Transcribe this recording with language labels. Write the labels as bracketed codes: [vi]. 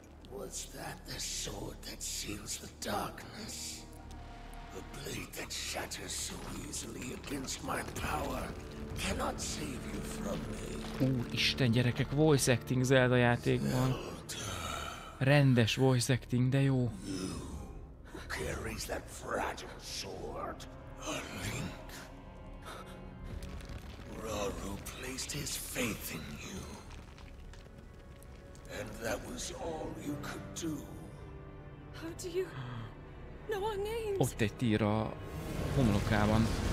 [en] Was that the sword that seals the darkness? The blade that shatters so easily against my power cannot save you from me. [hu] Úristen, gyerekek, voice acting Zelda játékban. Rendes voice acting, de jó. [en] You carries that fragile sword, a Link. Raru placed his faith in you, and that was all you could do. How do you know our names? [hu] Ott egy tír a homlokában.